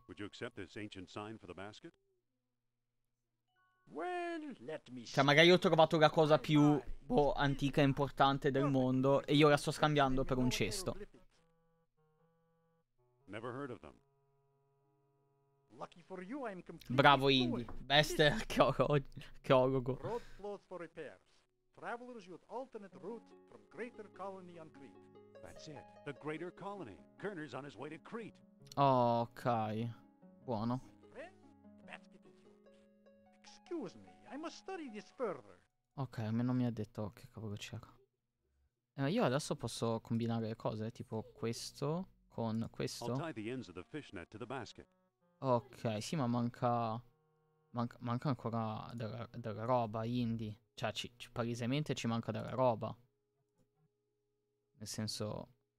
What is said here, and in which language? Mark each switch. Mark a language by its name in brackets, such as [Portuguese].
[English] Would you accept this ancient sign for the basket? Well, let me see. [Italian] Cioè, magari ho trovato la cosa più antica e importante del mondo e io la sto scambiando per un cesto. [English] Never heard of them. Lucky for you, I'm completely. [Italian] Bravo Indy, [English] best [Italian] archeologo. [English] Road closed for repairs. Travelers use alternate routes from Greater Colony on Crete. That's it. The Greater Colony. Kerner's on his way to Crete. [Italian] Ok. Buono. [English] Excuse me, I must study this further. [Italian] Ok, almeno mi ha detto che cavolo c'era. Io adesso posso combinare le cose, tipo questo. Con questo. [English] I'll tie the ends of the fishnet to the basket. [Italian] Ok, sì, ma manca ancora della roba, Indy. Cioè, palesemente ci manca della roba. Nel senso...